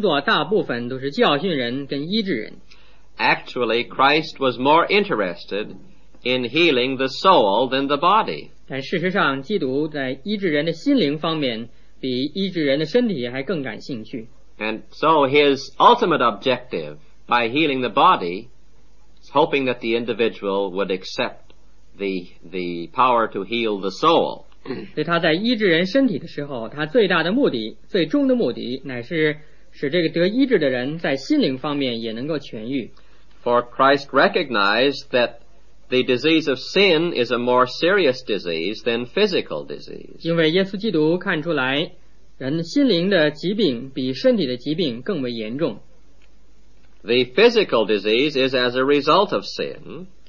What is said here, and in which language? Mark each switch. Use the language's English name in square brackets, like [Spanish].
[Chinese] 他在地上服务的工作大部分都是教训人跟医治人。 [English] Actually, Christ was more interested in healing the soul than the body. [Chinese] 但事实上基督在医治人的心灵方面比医治人的身体还更感兴趣。 [English] And so his ultimate objective by healing the body is hoping that the individual would accept the power to heal the soul. [Chinese] 所以他在医治人身体的时候，他最大的目的，最终的目的，乃是使这个得医治的人在心灵方面也能够痊愈。 [English] For Christ recognized that the disease of sin is a more serious disease than physical disease. [Chinese] 因为耶稣基督看出来 人心灵的疾病比身体的疾病更为严重。 [English] The physical disease is as a result of sin.